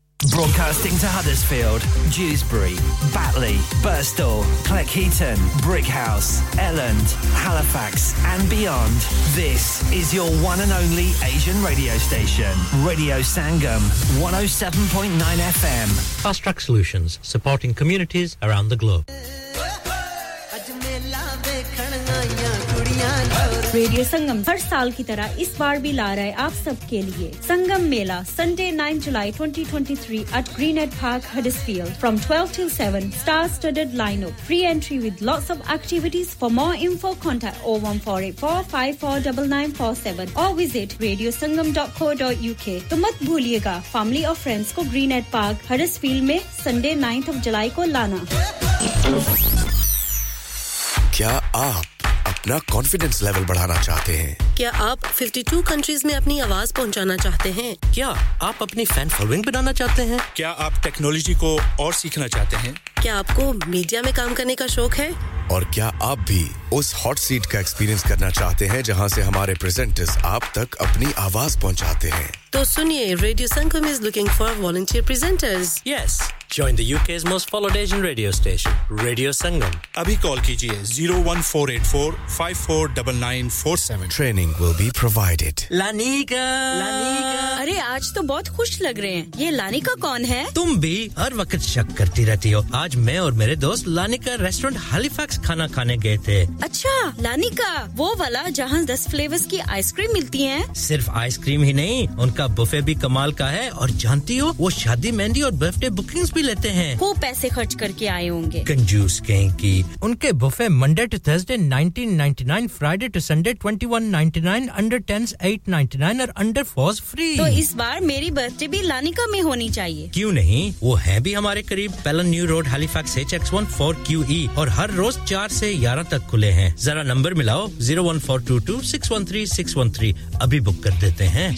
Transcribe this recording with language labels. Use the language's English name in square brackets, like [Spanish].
[English] Broadcasting to Huddersfield, Dewsbury, Batley, Birstall, Cleckheaton, Brickhouse, Elland, Halifax and beyond. This is your one and only Asian radio station. Radio Sangam, 107.9 FM. Fast Track Solutions, supporting communities around the globe. [Hindi] Radio संगम हर साल की तरह इस बार भी ला रहा है आप सब के लिए संगम मेला [English] Sunday 9 July 2023 at Greenhead Park Huddersfield from 12 to 7 star studded lineup free entry with lots of activities for more info contact [Hindi] 01484549947 और विजिट radiosangam.co.uk तो मत भूलिएगा फैमिली और फ्रेंड्स को ग्रीनहेड पार्क हडर्सफील्ड में संडे 9th ऑफ जुलाई को लाना क्या आप अपना कॉन्फिडेंस लेवल बढ़ाना चाहते हैं क्या आप 52 कंट्रीज में अपनी आवाज पहुंचाना चाहते हैं क्या आप अपनी फैन फॉलोइंग बनाना चाहते हैं क्या आप टेक्नोलॉजी को और सीखना चाहते हैं क्या आपको मीडिया में काम करने का शौक है और क्या आप भी उस हॉट सीट का एक्सपीरियंस करना चाहते हैं जहां से हमारे प्रेजेंटर्स आप तक अपनी आवाज पहुंचाते हैं तो सुनिए [English] Radio Sangam is looking for volunteer presenters yes Join the UK's most followed Asian radio station, Radio Sangam. [Hindi] Abhi call kijiye 01484-549947. [English] Training will be provided. [Hindi] Lanika! Lanika! Arre, aaj to bahut khush lag rahe hain. Ye Lanika kaun hai? Tum bhi har waqt shak karti rehti ho. Aaj main aur mere dost Lanika restaurant Halifax khana khane gaye the. Achha, Lanika! Wo wala jahan 10 flavors ki ice cream milti hai? Sirf ice cream hi nahi, unka buffet bhi kamal ka hai. Aur jaanti ho, wo shaadi mehndi aur birthday booking भी लेते हैं वो पैसे खर्च करके आए होंगे कंजूस कहेंगे उनके buffet [English] Monday to Thursday [Hindi] 1999 [English] Friday to Sunday [Hindi] 2199 under 10s 899 और अंडर 4s फ्री तो इस बार मेरी बर्थडे भी लानिका में होनी चाहिए क्यों नहीं वो है भी हमारे करीब पेलन न्यू रोड हैलिफैक्स HX14QE और हर रोज 4 से 11 तक खुले हैं जरा नंबर मिलाओ 01422613613 अभी बुक कर देते हैं